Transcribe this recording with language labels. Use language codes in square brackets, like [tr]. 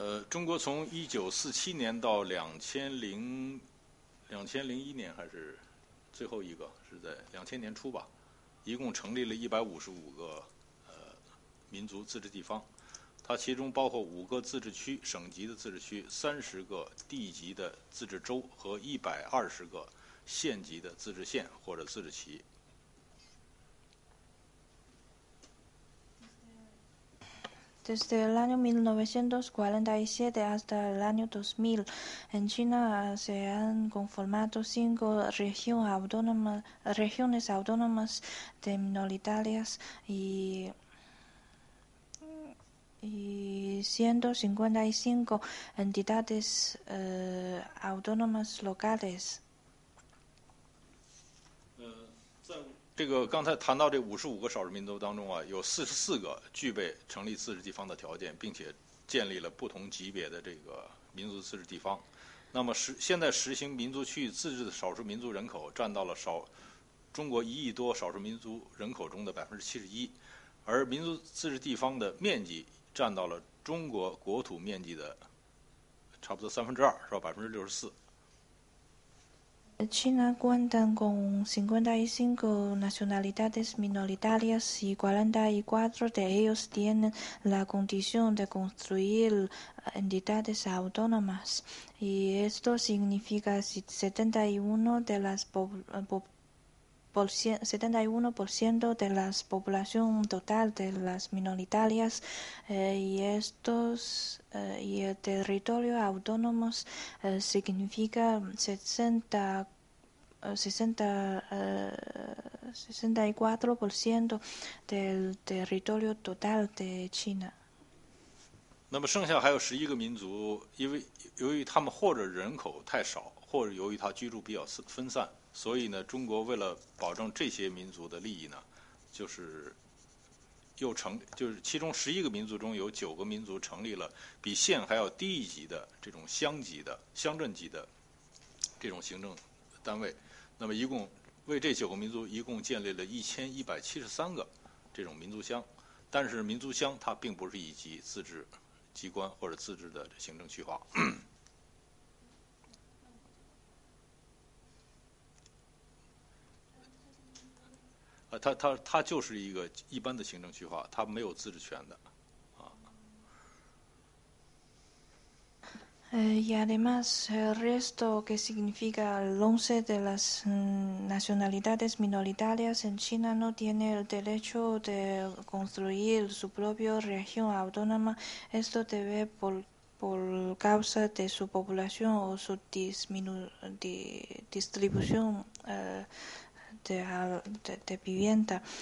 [zh] 中国从1947年到2001年还是最后一个是在2000年初吧，一共成立了155个民族自治地方，它其中包括5个自治区省级的自治区、30个地级的自治州和120个县级的自治县或者自治旗。 [es] Desde el año 1947 hasta el año 2000, en China se han conformado 5 regiones autónomas de minoritarias y 155 entidades autónomas locales. [zh] 这个刚才谈到这55个少数民族当中啊，有44个具备成立自治地方的条件，并且建立了不同级别的这个民族自治地方。那么现在实行民族区域自治的少数民族人口占到了中国1亿多少数民族人口中的71%，而民族自治地方的面积占到了中国国土面积的差不多2%，是吧？ 64%。 [es] China cuenta con 55 nacionalidades minoritarias y 44 de ellos tienen la condición de construir entidades autónomas. Y esto significa que 71% de la población total de las minoritarias y el territorio autónomo significa 64% del territorio total de China. [zh] 那么剩下还有11个民族，因为由于他们或者人口太少，或者由于他居住比较分散，所以呢，中国为了保证这些民族的利益呢，就是又成，就是其中十一个民族中有九个民族成立了比县还要低一级的这种乡级的乡镇级的这种行政单位，那么一共为这九个民族一共建立了1173个这种民族乡，但是民族乡它并不是一级自治机关或者自治的行政区划。它就是一个一般的行政区划，它没有自治权的。 [es] Y además, el resto que significa el 11 de las nacionalidades minoritarias en China no tiene el derecho de construir su propia región autónoma. Esto debe por causa de su población o su distribución de vivienda.